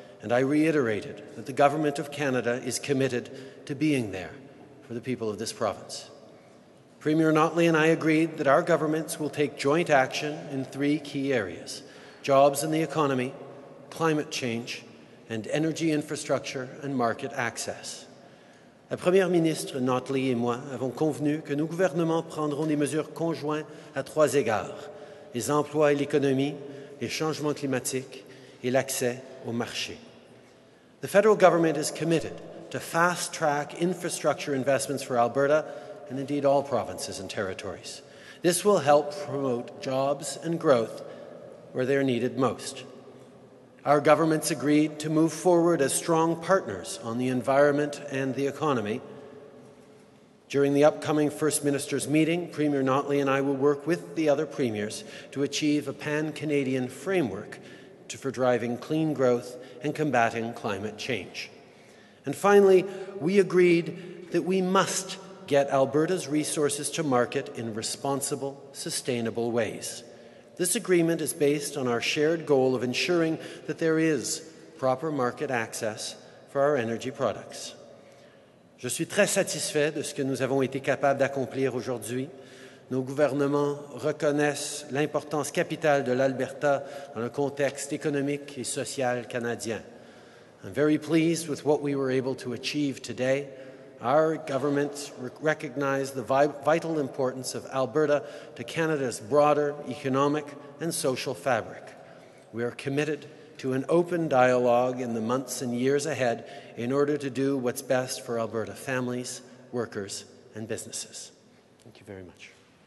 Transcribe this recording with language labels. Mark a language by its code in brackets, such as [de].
[en] And I reiterated that the Government of Canada is committed to being there for the people of this province. Premier Notley and I agreed that our governments will take joint action in three key areas: jobs and the economy, climate change, and energy infrastructure and market access. [fr] La Première ministre Notley et moi avons convenu que nos gouvernements prendront des mesures conjointes à trois égards: les emplois et l'économie, les changements climatiques, et l'accès au marché. [en] The federal government is committed to fast-track infrastructure investments for Alberta and indeed all provinces and territories. This will help promote jobs and growth where they are needed most. Our governments agreed to move forward as strong partners on the environment and the economy. During the upcoming First Minister's meeting, Premier Notley and I will work with the other premiers to achieve a pan-Canadian framework for driving clean growth and combating climate change. And finally, we agreed that we must get Alberta's resources to market in responsible, sustainable ways. This agreement is based on our shared goal of ensuring that there is proper market access for our energy products. [fr] Je suis très satisfait de ce que nous avons été capables d'accomplir aujourd'hui. Nos gouvernements reconnaissent l'importance capitale de l'Alberta dans le contexte économique et social canadien. [en] I'm very pleased with what we were able to achieve today. Our governments recognize the vital importance of Alberta to Canada's broader economic and social fabric. We are committed to an open dialogue in the months and years ahead in order to do what's best for Alberta families, workers, and businesses. Thank you very much.